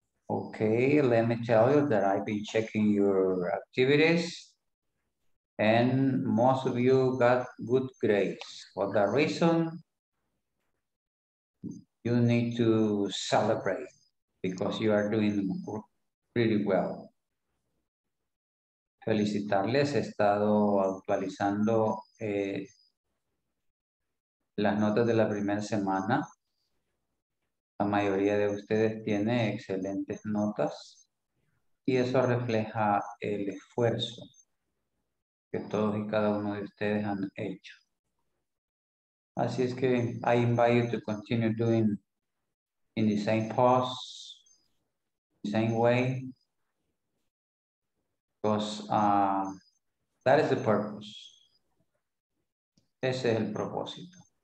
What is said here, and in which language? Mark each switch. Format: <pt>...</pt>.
<en>Okay, let me tell you that I've been checking your activities and most of you got good grades. For that reason, you need to celebrate because you are doing pretty well.</en> <es>Felicitarles, he estado actualizando las notas de la primera semana. La mayoría de ustedes tiene excelentes notas y eso refleja el esfuerzo que todos y cada uno de ustedes han hecho. Así es que</es> <en>I invite you to continue doing in the same pause, same way, because that is the purpose.</en> <es>Ese es el propósito.</es>